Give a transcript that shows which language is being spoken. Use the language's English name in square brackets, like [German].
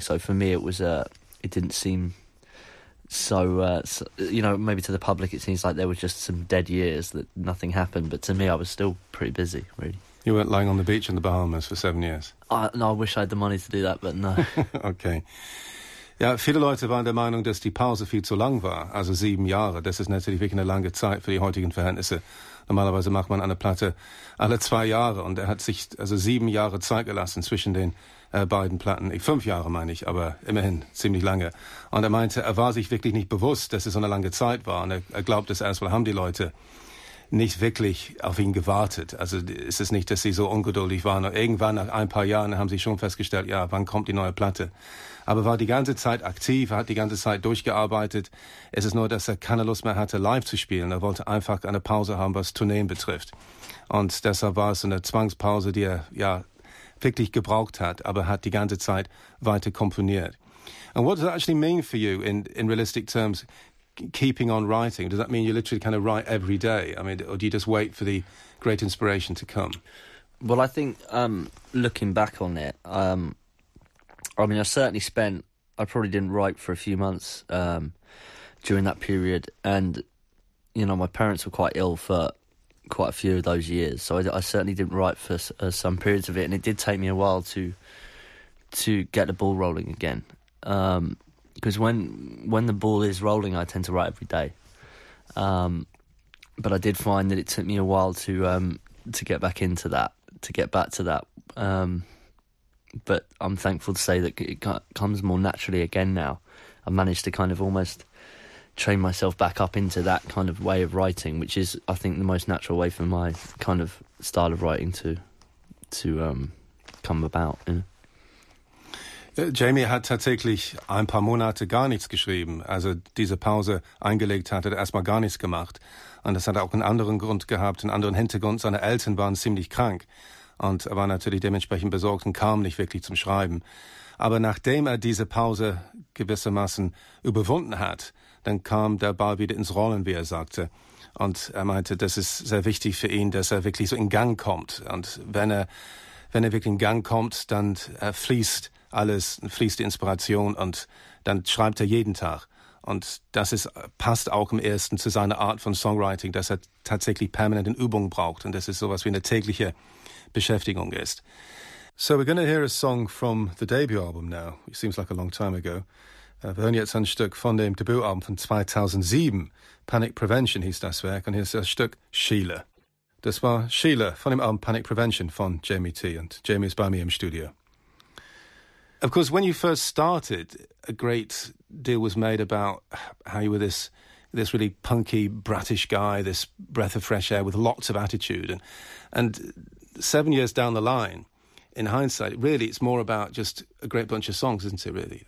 [English] So for me, it didn't seem so, maybe to the public, it seems like there were just some dead years that nothing happened. But to me, I was still pretty busy, really. You weren't lying on the beach in the Bahamas for 7 years? I wish I had the money to do that, but no. Okay. [German] Ja, viele Leute waren der Meinung, dass die Pause viel zu lang war, also 7 Jahre. Das ist natürlich wirklich eine lange Zeit für die heutigen Verhältnisse. Normalerweise macht man eine Platte alle 2 Jahre und er hat sich also 7 Jahre Zeit gelassen zwischen den beiden Platten. 5 Jahre meine ich, aber immerhin ziemlich lange. Und er meinte, er war sich wirklich nicht bewusst, dass es so eine lange Zeit war. Und er glaubt es erstmal, haben die Leute nicht wirklich auf ihn gewartet. Also ist es nicht, dass sie so ungeduldig waren. Und irgendwann nach ein paar Jahren haben sie schon festgestellt, ja, wann kommt die neue Platte? Aber war die ganze Zeit aktiv, hat die ganze Zeit durchgearbeitet. Es ist nur, dass er keine Lust mehr hatte, live zu spielen. Er wollte einfach eine Pause haben, was Tourneen betrifft. Und deshalb war es eine Zwangspause, die er ja wirklich gebraucht hat, aber hat die ganze Zeit weiter komponiert. [English] And what does that actually mean for you in realistic terms, keeping on writing? Does that mean you literally kind of write every day? I mean, or do you just wait for the great inspiration to come? Well, I think looking back on it, I probably didn't write for a few months during that period. And, my parents were quite ill for quite a few of those years. So I certainly didn't write for some periods of it. And it did take me a while to get the ball rolling again. Because when the ball is rolling, I tend to write every day. But I did find that it took me a while to get back into that, to get back to that. But I'm thankful to say that it comes more naturally again now. I've managed to kind of almost train myself back up into that kind of way of writing, which is, I think, the most natural way for my kind of style of writing to come about. You know? [German] Jamie hat tatsächlich ein paar Monate gar nichts geschrieben. Also diese Pause eingelegt hat er erstmal gar nichts gemacht. Und das hat auch einen anderen Grund gehabt, einen anderen Hintergrund. Seine Eltern waren ziemlich krank. Und er war natürlich dementsprechend besorgt und kam nicht wirklich zum Schreiben. Aber nachdem er diese Pause gewissermaßen überwunden hat, dann kam der Ball wieder ins Rollen, wie er sagte. Und er meinte, das ist sehr wichtig für ihn, dass er wirklich so in Gang kommt. Und wenn er wirklich in Gang kommt, dann fließt alles, fließt die Inspiration und dann schreibt er jeden Tag. Und das passt auch im Ersten zu seiner Art von Songwriting, dass er tatsächlich permanent in Übung braucht. Und das ist sowas wie eine tägliche Beschäftigung ist. [English] So we're going to hear a song from the debut album now. It seems like a long time ago. [German] Wir hören jetzt ein Stück von dem Debütalbum von 2007. Panic Prevention hieß das Werk. Und hier ist das Stück Sheila. Das war Sheila von dem Album Panic Prevention von Jamie T. Und Jamie ist bei mir im Studio. [English] Of course, when you first started, a great deal was made about how you were this this really punky, brattish guy, this breath of fresh air with lots of attitude. And 7 years down the line, in hindsight, really, it's more about just a great bunch of songs, isn't it, really?